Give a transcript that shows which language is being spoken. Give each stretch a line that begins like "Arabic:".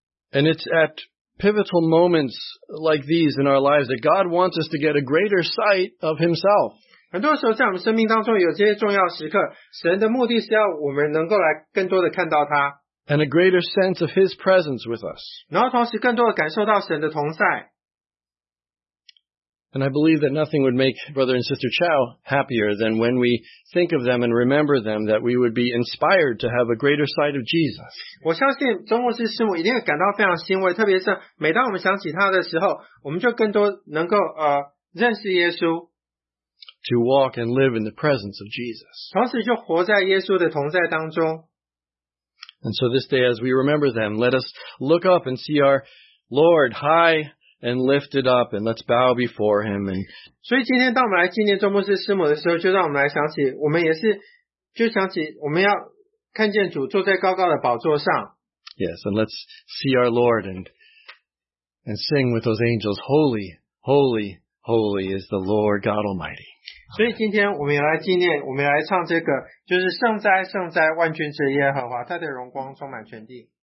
English: And it's at pivotal moments like these in our lives that God wants us to get a greater sight of himself.
Chinese: 很多时候在我们生命当中有这些重要时刻，神的目的是要我们能够来更多的看到他。
English: And a greater sense of his presence with us.
Chinese: 然后同时更多的感受到神的同在。
English: And I believe that nothing would make Brother and Sister Chow happier than when we think of them and remember them, that we would be inspired to have a greater sight of Jesus.
Chinese: 我相信中牧师师母一定会感到非常欣慰，特别是每当我们想起他的时候，我们就更多能够认识耶稣。
English: To walk and live in the presence of Jesus.
Chinese: 同时就活在耶稣的同在当中。
English: And so this day, as we remember them, let us look up and see our Lord high and lifted up, and let's bow before him. And
Chinese: 所以今天当我们来纪念周牧师师母的时候，就让我们来想起，我们也是，就想起我们要看见主坐在高高的宝座上。
English: Yes, and let's see our Lord and sing with those angels, Holy, holy, holy is the Lord God Almighty.
Chinese: 所以今天我们也来纪念，我们也来唱这个，就是圣哉圣哉，万军之耶和华，他的荣光充满全地。